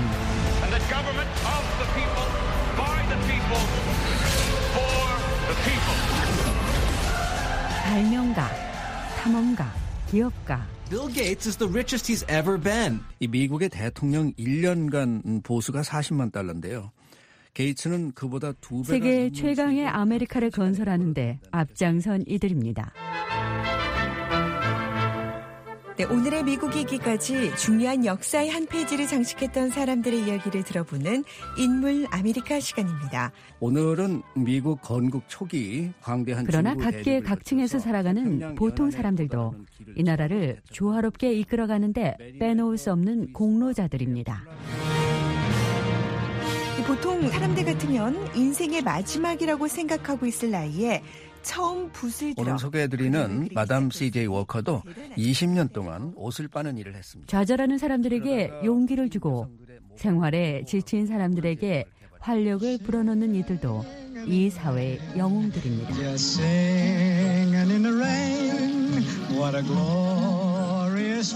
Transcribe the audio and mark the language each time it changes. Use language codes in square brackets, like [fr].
[en] And the government of the people, by the people, for the people. [ko] 발명가, 탐험가, 기업가. [en] Bill Gates is the richest he's ever been. [ko] 이 미국의 대통령 1년간 보수가 40만 달러인데요. 게이츠는 그보다 두 배가 세계 최강의 아메리카를 건설하는데 앞장선 이들입니다. 네, 오늘의 미국이기까지 중요한 역사의 한 페이지를 장식했던 사람들의 이야기를 들어보는 인물 아메리카 시간입니다. 오늘은 미국 건국 초기 광대한 그러나 각계 각층에서 살아가는 보통 사람들도 이 나라를 조화롭게 이끌어가는데 빼놓을 수 없는 공로자들입니다. 보통 사람들 같으면 인생의 마지막이라고 생각하고 있을 나이에 처음 붓을 들어 오늘 소개해드리는 마담 CJ 워커도 20년 동안 옷을 빠는 일을 했습니다. 좌절하는 사람들에게 용기를 주고 생활에 지친 사람들에게 활력을 불어넣는 이들도 이 사회의 영웅들입니다. [en] Singing in the rain, what a glorious